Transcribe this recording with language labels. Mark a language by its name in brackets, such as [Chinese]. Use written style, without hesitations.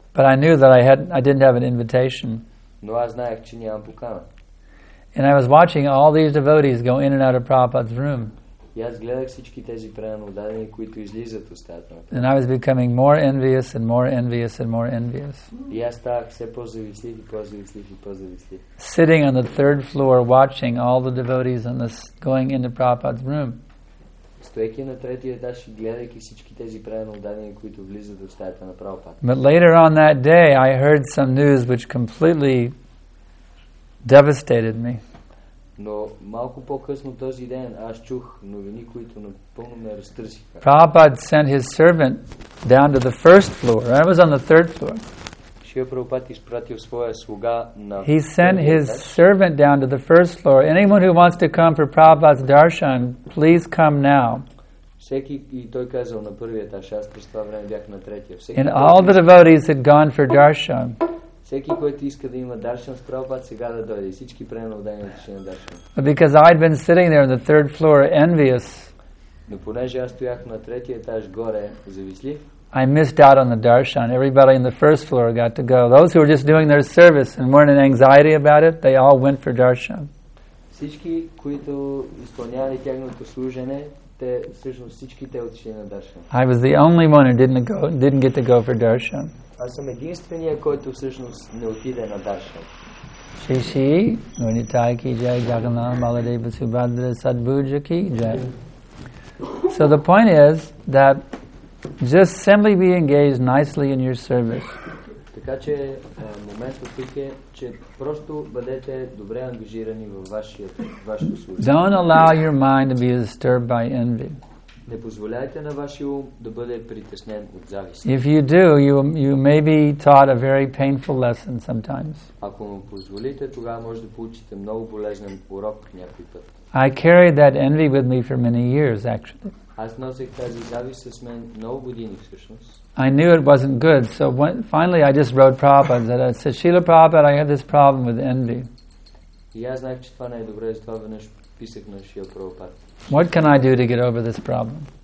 [English] But I knew that I didn't have an invitation. [Bulgarian] Но аз знаех, че нямам покана. [English] And I was watching all these devotees go in and out of Prabhupada's room. [Bulgarian] И аз гледах всички тези преданодадени, които излизат от стаята. [English] And I was becoming more envious and more envious and more envious. [Bulgarian] И аз ставах все по-завистлив и по-завистлив и по-завистлив. [English] Sitting on the third floor watching all the devotees on this going into Prabhupada's room. [Bulgarian] Стоейки на третия етаж и гледайки всички тези преданодадени, които влизат от стаята на Прабхупада. [English] But later on that day I heard some news which completely devastated me. [Bulgarian] Но малко по-късно този ден аз чух новини, които напълно ме разтърсиха. [English] Prabhupada sent his servant down to the first floor. I was on the third floor. [Bulgarian] Шрила Прабхупад изпратил своя слуга на [English] He sent his servant down to the first floor. Anyone who wants to come for Prabhupada's darshan, please come now. [Bulgarian] Всеки и той казал на първия етаж, аз през това време бях на третия. [English] And all the devotees had gone for darshan. [Bulgarian] Всеки, който иска да има даршан с Прабхупад, сега да дойде. Всички преданодадени ще на даршан. [English] Because I'd been sitting there on the third floor, envious. [Bulgarian] Но понеже аз стоях на третия етаж горе, завислив. [English] I missed out on the darshan. Everybody on the first floor got to go. Those who were just doing their service and weren't in anxiety about it, they all went for darshan. [Bulgarian] Всички, които изпълнявали тяхното служене, те всъщност всички те отишли на даршан. [English] I was the only one who didn't get to go for darshan. [Bulgarian] Аз съм единствения, който всъщност не отиде на даршан. Ши ши, Нуни Тай ки джай, Джагана, Баладева Субхадра, Садбуджа ки джай. [English] So the point is that just simply be engaged nicely in your service. [Bulgarian] Така че моментът тук е, че просто бъдете добре ангажирани във вашето служение. [English] Don't allow your mind to be disturbed by envy. [Bulgarian] Не позволяйте на вашия ум да бъде притеснен от завист. [English] If you do, you may be taught a very painful lesson sometimes. [Bulgarian] Ако му позволите, тогава може да получите много болезнен урок някой път. [English] I carried that envy with me for many years, actually. [Bulgarian] Аз носих тази завист с мен много години всъщност. [English] I knew it wasn't good, so finally I just wrote Prabhupada that I said, Shrila Prabhupada, I had this problem with envy. [Bulgarian] И аз знаех, че това не е добре, затова веднъж писах на Шрила Прабхупад. [English] What can I do to get over this problem?